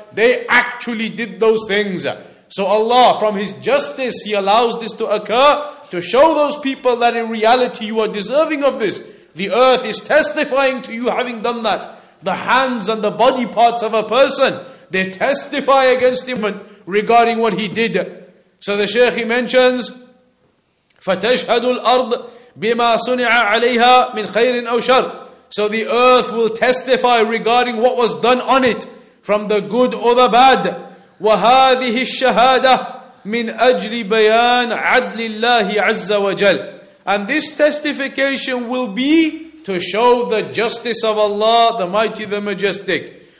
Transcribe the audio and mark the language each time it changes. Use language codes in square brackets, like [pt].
[en] They actually did those things. So Allah, from His justice, He allows this to occur, to show those people that in reality you are deserving of this. The earth is testifying to you having done that. The hands and the body parts of a person, they testify against him regarding what he did. So the Shaykh, he mentions, [ar] فَتَشْهَدُ الْأَرْضِ بِمَا صُنِعَ عَلَيْهَا مِنْ خَيْرٍ أَوْ شَرٍ. [en] So the earth will testify regarding what was done on it, from the good or the bad. [ar] وَهَذِهِ الشَّهَادَةِ مِنْ أَجْلِ بَيَانِ عَدْلِ اللَّهِ عَزَّ وَجَلٍ. [en] And this testification will be to show the justice of Allah, the Mighty, the Majestic.